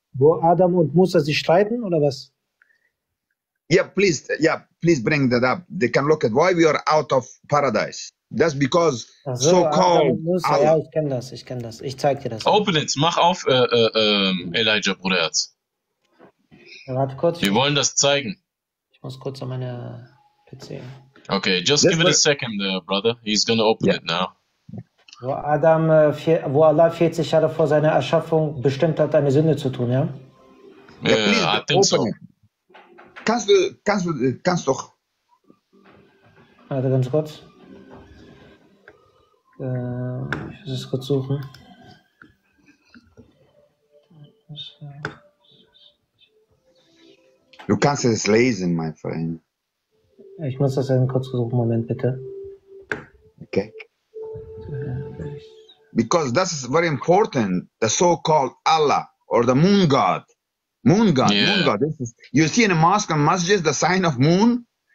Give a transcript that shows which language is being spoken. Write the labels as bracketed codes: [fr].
[de] Wo Adam und Musa sich streiten, oder was? [en] Yeah, please bring that up. They can look at why we are out of paradise. That's because so called. [de] Ja, ich kenne das, ich kenne das. Ich zeig dir das. [en] Open it, [de] mach auf, Elijah, Bruderherz. Warte kurz. Wir wollen das zeigen. Ich muss kurz an meine PC. [en] Okay, just give it a second, brother. He's gonna open it now. [de] Wo Adam, wo Allah 40 Jahre vor seiner Erschaffung bestimmt hat, eine Sünde zu tun, ja? [en] Ja, I think so. [de] Kannst doch. Warte ganz kurz. Ich muss es kurz suchen. Du kannst es lesen, mein Freund. Ich muss das einen kurz suchen, Moment bitte. Okay. [en] Because that is very important, the so-called Allah or the moon god. Moon god. This is, you see in a mosque and masjid the sign of moon?